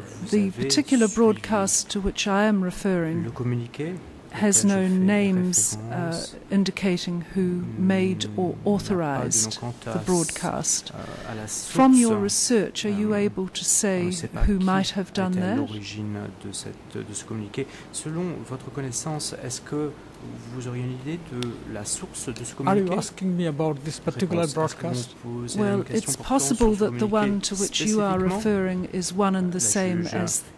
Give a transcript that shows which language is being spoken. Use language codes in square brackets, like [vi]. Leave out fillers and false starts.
[en] The particular broadcast to which I am referring has no names indicating who made or authorized the broadcast. From your research, are you able to say who might have done that? [fr] De ce communiqué. Selon votre connaissance, est-ce que vous auriez une idée de la source de ce communiqué? [en] Are you asking me about this particular broadcast? Well, it's possible that the one to which you are referring is one and the same as